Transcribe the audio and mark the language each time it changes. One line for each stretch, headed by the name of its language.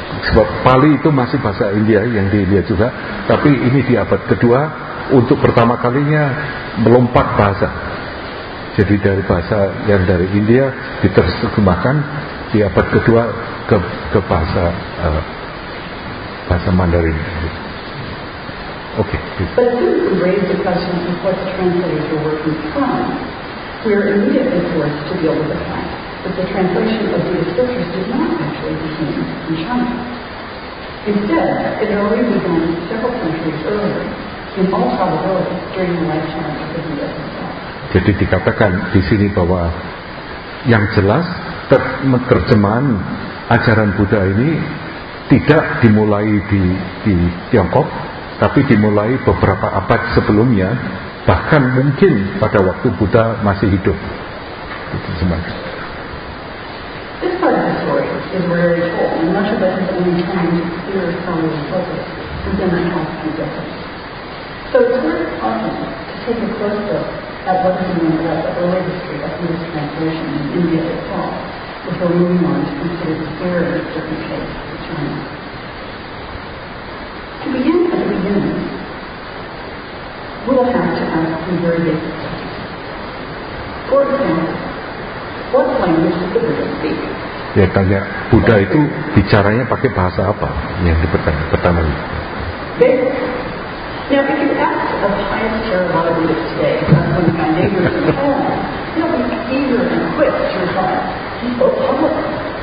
Indonesian: Sebab Pali itu masih bahasa India yang di India juga, tapi ini di abad kedua untuk pertama kalinya melompat bahasa. Jadi dari bahasa yang dari India diterjemahkan di abad kedua ke bahasa bahasa Mandarin.
English: Okay. But as soon as we raise the question of what translators were working from, we are immediately forced to deal with the fact that the translation of Buddhist scriptures did not actually begin in China. Instead, it had already begun several centuries earlier, in all probability during the lifetime of the Buddha himself.
Indonesian: Jadi dikatakan di sini bahwa yang jelas terjemahan ajaran Buddha ini tidak dimulai di Tiongkok, tapi dimulai beberapa abad sebelumnya, bahkan mungkin pada waktu Buddha masih hidup. Itu semangat.
English: This part of the story is rarely told, and much of it is only trying to clear some of the focus within a half century. So it's worth pausing to take a close look at what is known about the early history of Buddhist translation in India itself, before moving on to consider the very different case of China. To begin at the beginning, we'll have to ask some very basic questions. For example, what language does the Buddha speak?
Indonesian: Ya, tanya Buddha itu bicaranya pakai bahasa apa? Yang pertama ini.
English: Now, if you ask a pious Theravada Buddhist today, one of my neighbors in Poland, he'll be eager and quick to reply, he spoke Pali.